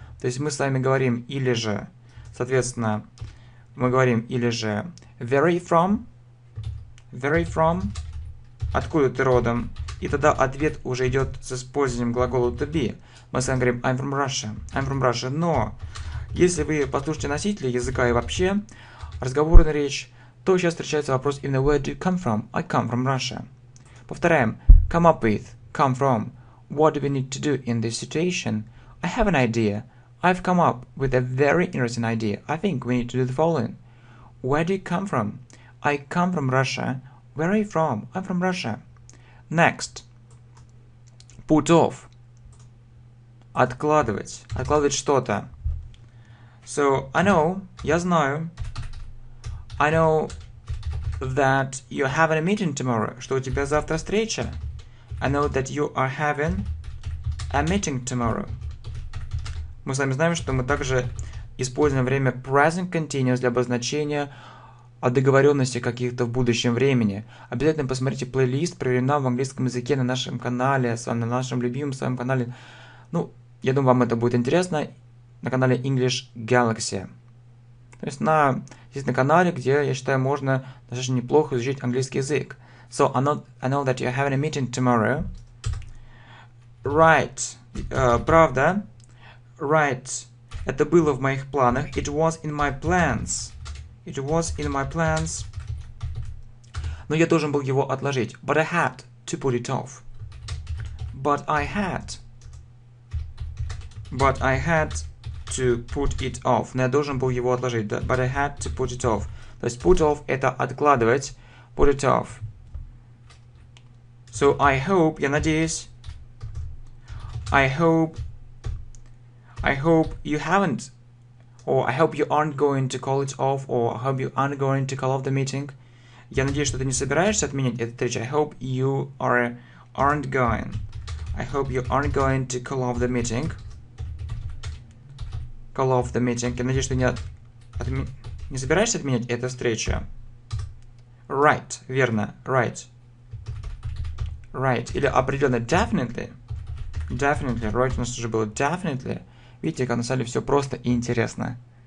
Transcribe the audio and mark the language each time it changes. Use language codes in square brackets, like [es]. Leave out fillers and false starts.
[ru] То есть, мы с вами говорим, или же, соответственно, мы говорим, или же, [en] where are you from? Where are you from? [ru] Откуда ты родом? И тогда ответ уже идет с использованием глагола to be. Мы с вами говорим, [en] I'm from Russia. I'm from Russia. [ru] Но, если вы послушаете носителя языка и вообще разговорную речь, то сейчас встречается вопрос именно [en] where do you come from? I come from Russia. [ru] Повторяем. [en] Come up with. Come from. What do we need to do in this situation? I have an idea. I've come up with a very interesting idea. I think we need to do the following. Where do you come from? I come from Russia. Where are you from? I'm from Russia. Next. Put off. [ru] Откладывать. Откладывать что-то. [en] So, I know. [ru] Я знаю. [en] I know that you have a meeting tomorrow. [ru] Что у тебя завтра встреча? [en] I know that you are having a meeting tomorrow. [ru] Мы с вами знаем, что мы также используем время present continuous для обозначения о договоренности каких-то в будущем времени. Обязательно посмотрите плейлист «Проверено в английском языке» на нашем канале, с вами, на нашем любимом своем канале. Ну, я думаю, вам это будет интересно на канале English Galaxy. То есть на здесь на канале, где, я считаю, можно достаточно неплохо изучить английский язык. [en] So, I know that you're having a meeting tomorrow. Right. [ru] Правда. [en] Right. [ru] Это было в моих планах. [en] It was in my plans. It was in my plans. [ru] Но я должен был его отложить. [en] But I had to put it off. But I had. But I had to put it off. [ru] Но я должен был его отложить. [en] But I had to put it off. [ru] То есть [en] put off — [ru] это откладывать. [en] Put it off. So I hope, [ru] я надеюсь. [en] I hope you haven't. Or I hope you aren't going to call it off. Or I hope you aren't going to call off the meeting. [ru] Я надеюсь, что ты не собираешься отменить эту встречу. [en] I hope you aren't going. I hope you aren't going to call off the meeting. Call off the meeting. [ru] Я надеюсь, что ты не собираешься отменить эту встречу. [en] Right, [ru] верно, [en] right. Right. [ru] Или определенно definitely. Definitely. Right у нас уже было definitely. Видите, как на самом деле все просто и интересно.